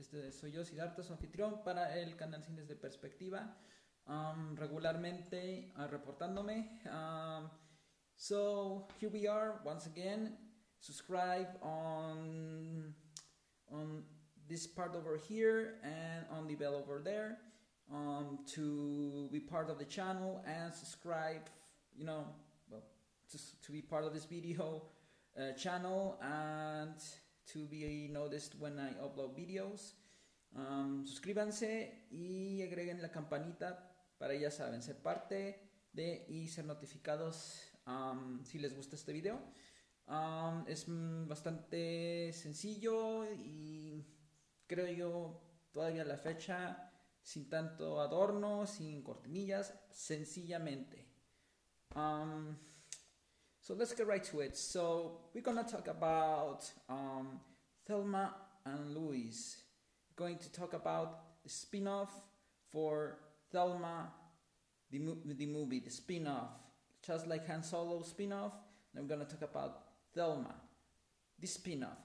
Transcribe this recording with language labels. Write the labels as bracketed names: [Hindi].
[Spanish] Soy yo Siddhartha, su anfitrión para el canal Cine Desde Perspectiva, regularmente reportándome. [English] So here we are once again. Subscribe on this part over here and on the bell over there to be part of the channel and subscribe, you know, well, to be part of this video channel and to be noticed when I upload videos. [Spanish] Suscríbanse y agreguen la campanita para, ya saben, ser parte de y ser notificados si les gusta este video. Es bastante sencillo y creo yo todavía la fecha sin tanto adorno, sin cortinillas, sencillamente. [English] So let's get right to it. So we're gonna talk about Thelma and Louise. We're going to talk about the spin-off for Thelma, the movie, the spin-off. Just like Han Solo spin-off, and we're gonna talk about Thelma, the spin-off.